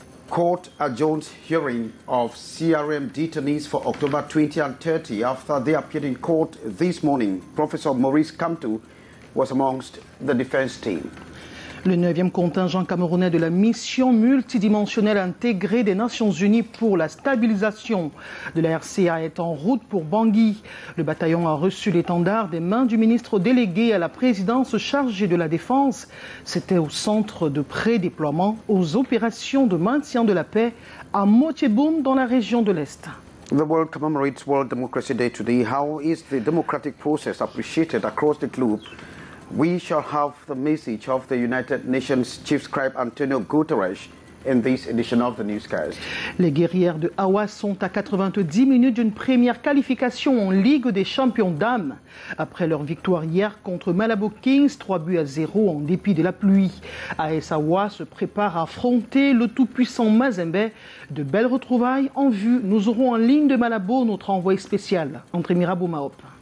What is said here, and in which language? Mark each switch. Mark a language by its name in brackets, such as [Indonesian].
[English] Court adjourns hearing of CRM detainees for October 20 and 30 after they appeared in court this morning. Professor Maurice Kamto was amongst the defense team. [French] Le 9e contingent camerounais de la mission multidimensionnelle intégrée des Nations Unies pour la stabilisation de la RCA est en route pour Bangui. Le bataillon a reçu l'étendard des mains du ministre délégué à la présidence chargée de la défense. C'était au centre de pré-déploiement aux opérations de maintien de la paix à Motieboum dans la région de l'Est. [English] The world commemorates World Democracy Day today. How is the democratic process appreciated across the globe? We shall have the message of the United Nations Chief Scribe Antonio Guterres in this edition of the newscast. [French] Les guerrières de Hawass sont à 90 minutes d'une première qualification en Ligue des champions dames. Après leur victoire hier contre Malabo Kings, 3-0 en dépit de la pluie, AS Hawass se prépare à affronter le tout-puissant Mazembe. De belles retrouvailles en vue. Nous aurons en ligne de Malabo notre envoyé spécial, André Mirabeau Maop.